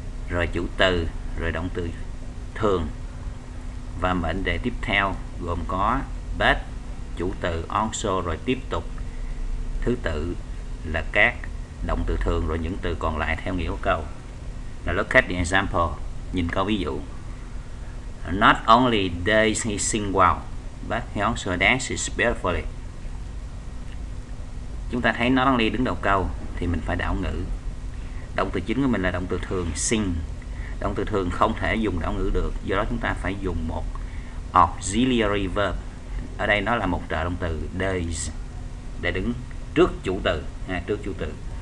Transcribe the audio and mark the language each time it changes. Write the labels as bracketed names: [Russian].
[Vietnamese] Rồi chủ từ, rồi động từ thường. Và mệnh đề tiếp theo gồm có but, chủ từ, also, rồi tiếp tục thứ tự là các động từ thường rồi những từ còn lại theo nghĩa của câu. [English] Now look at the example, [Vietnamese] nhìn câu ví dụ. [English] Not only does he sing well, but he also dances beautifully. [Vietnamese] Chúng ta thấy not only đứng đầu câu thì mình phải đảo ngữ. Động từ chính của mình là động từ thường sing. Động từ thường không thể dùng đảo ngữ được, do đó chúng ta phải dùng một auxiliary verb. Ở đây nó là một trợ động từ does để đứng trước chủ từ, trước chủ từ.